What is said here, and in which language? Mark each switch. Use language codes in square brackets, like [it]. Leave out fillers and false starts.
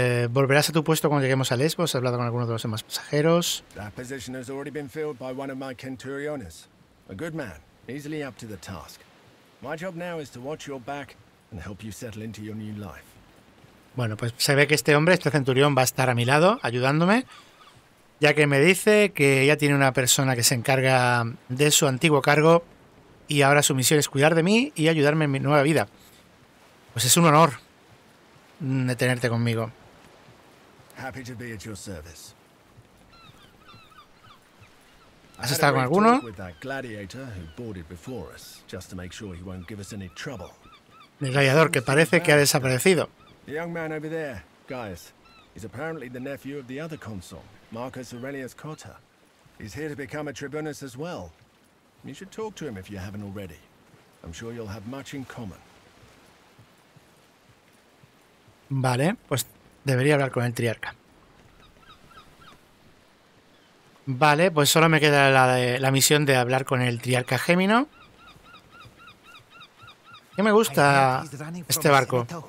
[es] ¿Volverás a tu puesto cuando lleguemos a Lesbos? ¿Has hablado con alguno de los demás pasajeros? [en] That position has already been filled by one of my centuriones. A good man, easily up to the task. My job now is to watch your back and help you settle into your new life. [es] Bueno, pues se ve que este hombre, este centurión, va a estar a mi lado ayudándome, ya que me dice que ya tiene una persona que se encarga de su antiguo cargo y ahora su misión es cuidar de mí y ayudarme en mi nueva vida. Pues es un honor de tenerte conmigo. [en] Happy to be at your service. [es] ¿Has estado con alguno? [en] With that gladiator who boarded before us, just to make sure he won't give us any trouble. [es] El gladiador que parece que ha desaparecido. [en] The young man over there, Gaius, is apparently the nephew of the other consul, Marcus Aurelius Cotta. He's here to become a tribunus as well. You should talk to him if you haven't already. I'm sure you'll have much in common. [es] Vale, pues debería hablar con el Triarca. Vale, pues solo me queda la misión de hablar con el Triarca Gémino. ¿Qué me gusta este barco?